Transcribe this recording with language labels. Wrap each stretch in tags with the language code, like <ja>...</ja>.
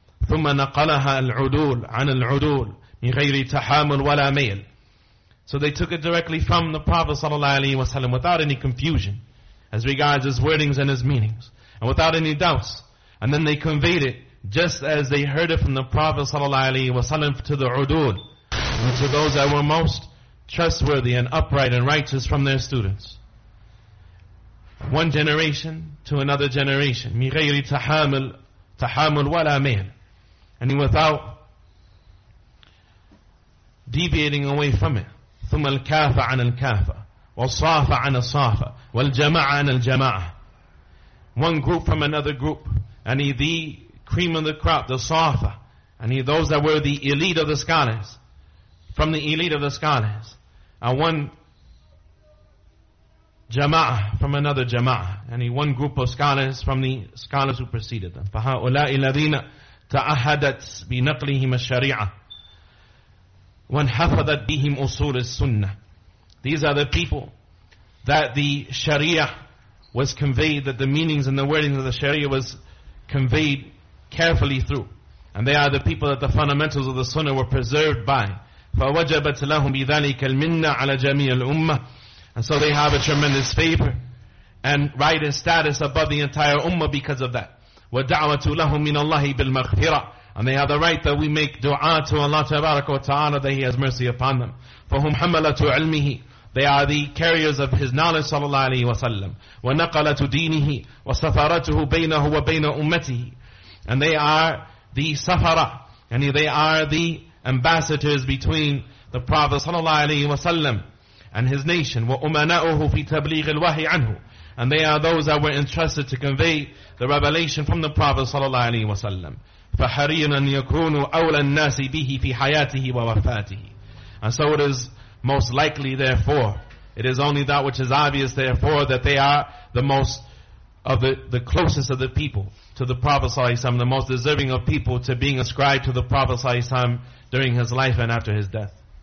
<ar>ثم نقلها العدول عن العدول من غير تحامل ولا ميل.</ar> <en>So they took it directly from the Prophet sallallahu alaihi wasallam without any confusion as regards his wordings and his meanings and without any doubts. And then they conveyed it just as they heard it from the Prophet sallallahu alaihi wasallam to the udul, and to those that were most trustworthy and upright and righteous from their students. One generation to another generation.</en> <ar>من غير تحامل. تحامل ولا ميل.</ar> <en>And without deviating away from it.</en> <ar>ثم الكافة عن الكافة والصافة عن الصافة والجماعة عن الجماعة.</ar> <en>One group from another group. And the cream of the crop, the صافة. And those that were the elite of the scholars. From the elite of the scholars. And one جماعة from another جماعة. And one group of scholars from the scholars who preceded them.</en> <ar>فَهَؤُلَاءِ الَّذِينَ تَعَهَدَتْ بِنَقْلِهِمَ الشَّرِيعَةِ when hafadat bihim usul as-sunnah.</ar> <en>These are the people that the sharia was conveyed, that the meanings and the wordings of the sharia was conveyed carefully through. And they are the people that the fundamentals of the sunnah were preserved by.</en> <ar>فَوَجَبَتْ لَهُمْ بِذَلِكَ الْمِنَّ عَلَى جَمِيعِ الْأُمَّةِ</ar> <en>And so they have a tremendous favor and right and status above the entire ummah because of that.</en> <ar>وَدَعْوَةُ لَهُمْ مِنَ اللَّهِ بِالْمَغْفِرَةِ</ar> <en>And they have the right that we make dua to Allah Tabaraka wa Ta'ala that He has mercy upon them.</en> <ar>فَهُمْ حَمَلَةُ عِلْمِهِ</ar> <en>They are the carriers of His knowledge, sallallahu alayhi wa sallam.</en> <ar>وَنَقَلَةُ دِينِهِ وَسَفَارَتُهُ بَيْنَهُ وَبَيْنَ أُمَّتِهِ</ar> <en>And they are the safara. And they are the ambassadors between the Prophet, sallallahu alayhi wa sallam, and his nation.</en> <ar>وَأُمَنَاؤُهُ فِي تَبْلِيغِ الْوَحِي عَنْهُ</ar> <en>And they are those that were entrusted to convey the revelation from the Prophet, sallallahu alayhi wa sallam.</en> <ar>فَحَرِيُّنَ أَن يَكُونُوا أَوْلَى النَّاسِ بِهِ فِي حَيَاتِهِ وَوَفَاتِهِ</ar> <en>And so it is most likely, therefore, it is only that which is obvious, therefore, that they are the most of the closest of the people to the Prophet sallallahu alaihi wasallam, the most deserving of people to being ascribed to the Prophet sallallahu alaihi wasallam during his life and after his death.</en>